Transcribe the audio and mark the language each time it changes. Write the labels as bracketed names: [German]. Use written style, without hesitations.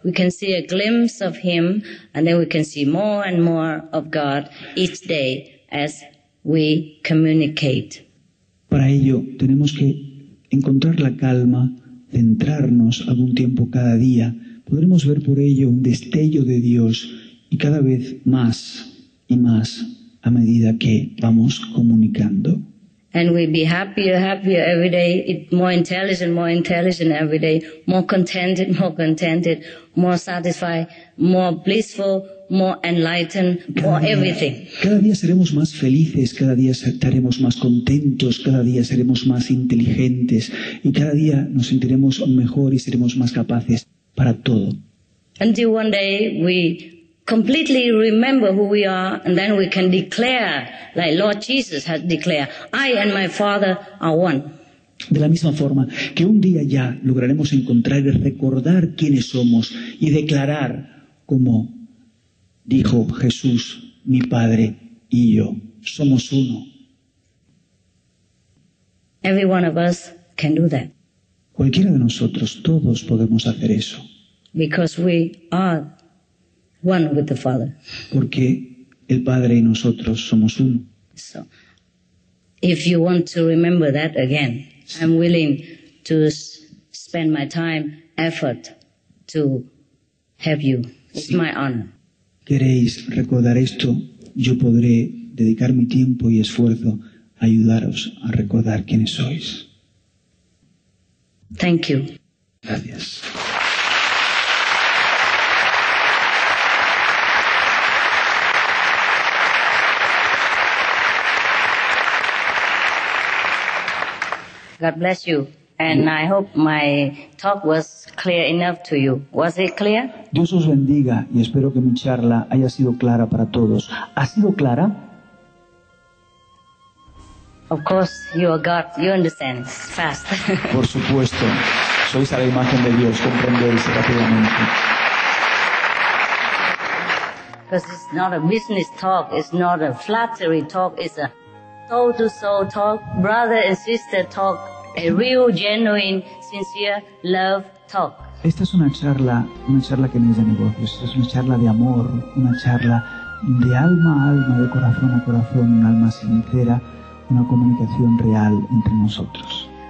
[English] We can see a glimpse of Him, and then we can see more and more of God each day as we communicate. [Spanish] Para ello tenemos que encontrar la calma, centrarnos algún tiempo cada día. Podremos ver por ello un destello de Dios y cada vez más y más a medida que vamos comunicando. [English] And we'll be happier every day, more intelligent every day, more contented, more satisfied, more blissful, more enlightened, more everything. [Spanish] Cada día seremos más felices, cada día estaremos más contentos, cada día seremos más inteligentes y cada día nos sentiremos mejor y seremos más capaces para todo. [English] Until one day we completely remember who we are, and then we can declare, like Lord Jesus has declared, I and my Father are one. [Spanish] De la misma forma que un día ya lograremos encontrar y recordar quiénes somos y declarar como dijo Jesús, mi Padre y yo, somos uno. [English] Every one of us can do that. [Spanish] Cualquiera de nosotros, todos podemos hacer eso. [English] Because we are one with the Father. [Spanish] Porque el Padre y nosotros somos uno. [English] So, if you want to remember that again, I'm willing to spend my time, effort to help you. It's [Spanish] sí. [English] My honor. [Spanish] ¿Queréis recordar esto? Yo podré dedicar mi tiempo y esfuerzo a ayudaros a recordar quiénes sois. [English] Thank you. [Spanish] Gracias. [English] God bless you. And I hope my talk was clear enough to you. Was it clear? [Spanish] Dios os bendiga y espero que mi charla haya sido clara para todos. ¿Ha sido clara? [English] Of course, you are God. You understand fast. [Spanish] Por supuesto. Sois a la imagen de Dios. Comprendéis rápidamente. [English] Because it's not a business talk. It's not a flattery talk. It's a soul-to-soul talk, brother and sister talk. A real, genuine, sincere love talk. [Spanish] Esta es una charla que no es de negocios. Es una charla de amor, una charla de alma a alma, de corazón a corazón, un alma sincera, una comunicación real entre nosotros.